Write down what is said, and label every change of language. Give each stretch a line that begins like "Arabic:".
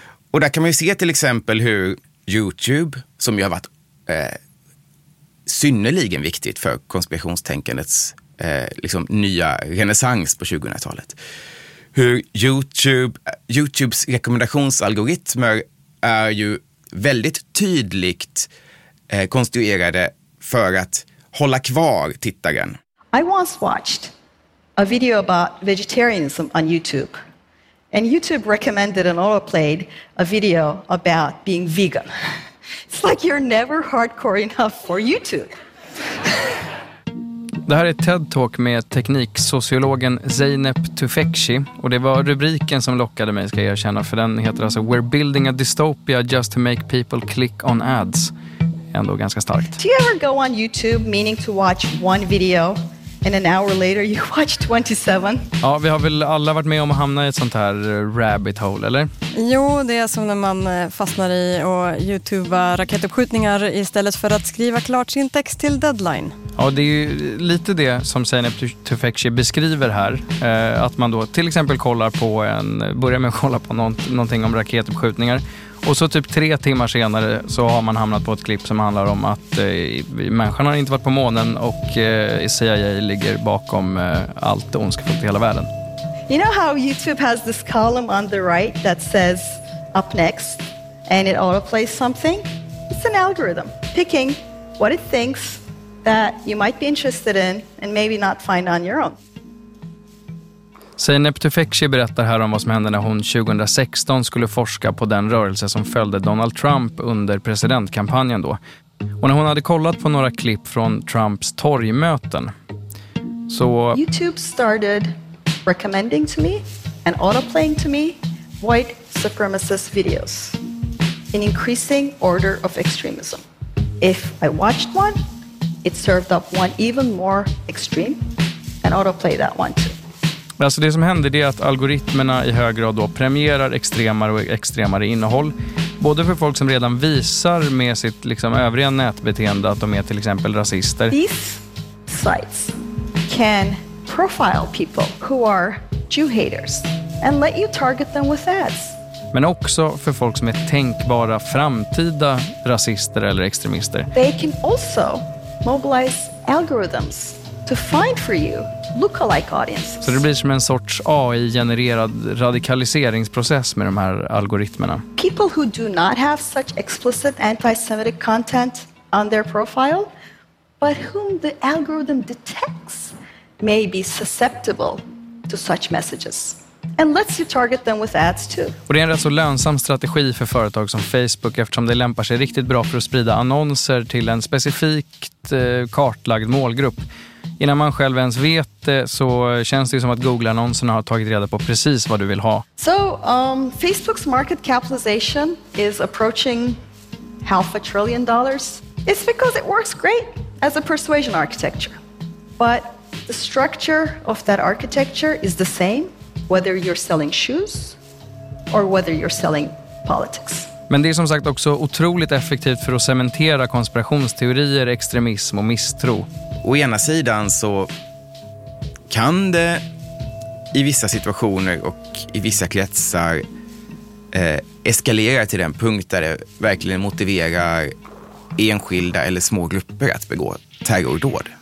Swedish: Och där kan man ju se till exempel hur YouTube, som ju har varit synnerligen viktigt för konspirationstänkandets liksom nya renässans på 2000-talet. Hur YouTubes rekommendationsalgoritmer är ju väldigt tydligt konstruerade för att hålla kvar tittaren.
English: I once watched a video about vegetarianism on YouTube. And YouTube recommended and auto-played a video about being vegan. It's like you're never hardcore enough for YouTube.
Swedish: Det här är TED Talk med tekniksociologen Zeynep Tufekci. Och det var rubriken som lockade mig, ska jag erkänna. För den heter alltså
English: We're building a dystopia just to make people click on ads.
Swedish: Ändå ganska starkt.
English: Do you ever go on YouTube meaning to watch one video? And an hour later you watch 27.
Swedish: Ja, vi har väl alla varit med om att hamna i ett sånt här rabbit hole, eller? Jo, det är som när man fastnar i och YouTube raketuppskjutningar istället för att skriva klart sin text till deadline. Ja, det är ju lite det som Zeynep Tufekci beskriver här. Att man då till exempel börjar med att kolla på någonting om raketuppskjutningar. Och så typ 3 timmar senare så har man hamnat på ett klipp som handlar om att människan har inte varit på månen och CIA ligger bakom allt ondskefullt i hela världen.
English: You know how YouTube has this column on the right that says up next and it autoplays something? It's an algorithm picking what it thinks that you might be interested in and maybe not find on your own.
Swedish: Zeynep Tufekci berättar här om vad som hände när hon 2016 skulle forska på den rörelse som följde Donald Trump under presidentkampanjen då. Och när hon hade kollat på några klipp från Trumps torgmöten så...
English: YouTube started recommending to me and autoplaying to me white supremacist videos in increasing order of extremism. If I watched one, it served up one even more extreme and autoplay that one too.
Swedish: Alltså det som händer är att algoritmerna i hög grad då premierar extremare och extremare innehåll. Både för folk som redan visar med sitt liksom övriga nätbeteende att de är till exempel rasister.
English: These sites can profile people who are Jew-haters and let you target them with ads.
Swedish: Men också för folk som är tänkbara framtida rasister eller extremister.
English: They can also mobilize algorithms to find for you lookalike audiences.
Swedish: Så det blir som en sorts AI-genererad radikaliseringsprocess med de här algoritmerna.
English: People who do not have such explicit anti-Semitic content on their profile, but whom the algorithm detects may be susceptible to such messages. And lets you target them with ads too.
Swedish: Och det är en rätt så lönsam strategi för företag som Facebook eftersom det lämpar sig riktigt bra för att sprida annonser till en specifikt kartlagd målgrupp. Innan man själv ens vet det så känns det som att Google-annonserna har tagit reda på precis vad du vill ha.
English: So, Facebook's market capitalization is approaching $500 billion. It's because it works great as a persuasion architecture. But the structure of that architecture is the same whether you're selling shoes or whether you're selling politics.
Swedish: Men det är som sagt också otroligt effektivt för att cementera konspirationsteorier, extremism och misstro. Å ena sidan så kan det i vissa situationer och i vissa kretsar eskalera till den punkt där det verkligen motiverar enskilda eller små grupper att begå terrordåd.